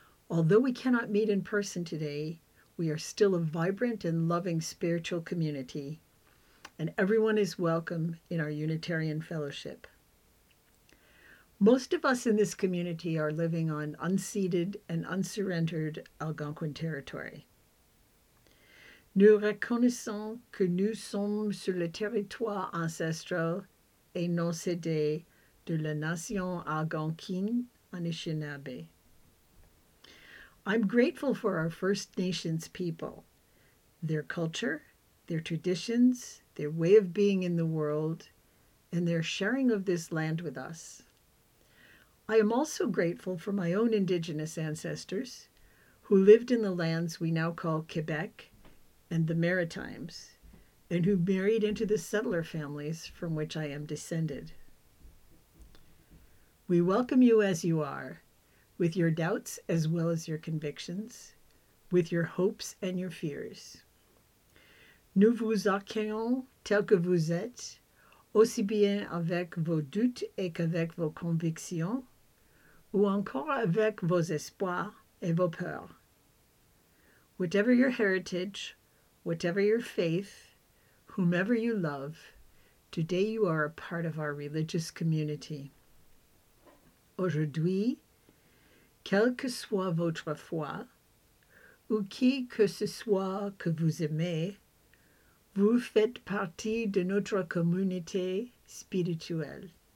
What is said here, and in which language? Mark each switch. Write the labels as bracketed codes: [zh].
[en] Although we cannot meet in person today, we are still a vibrant and loving spiritual community, and everyone is welcome in our Unitarian Fellowship. Most of us in this community are living on unceded and unsurrendered Algonquin territory. [fr] Nous reconnaissons que nous sommes sur le territoire ancestral et non cédé de la nation Algonquine Anishinaabe. [en] I'm grateful for our First Nations people, their culture, their traditions, their way of being in the world, and their sharing of this land with us. I am also grateful for my own Indigenous ancestors who lived in the lands we now call Quebec and the Maritimes, and who married into the settler families from which I am descended. We welcome you as you are, with your doubts as well as your convictions, with your hopes and your fears. [fr] Nous vous accueillons tel que vous êtes, aussi bien avec vos doutes et qu'avec vos convictions, ou encore avec vos espoirs et vos peurs. [en] Whatever your heritage, whatever your faith, whomever you love, today you are a part of our religious community. [fr] Aujourd'hui, quelle que soit votre foi, ou qui que ce soit que vous aimez, vous faites partie de notre communauté spirituelle.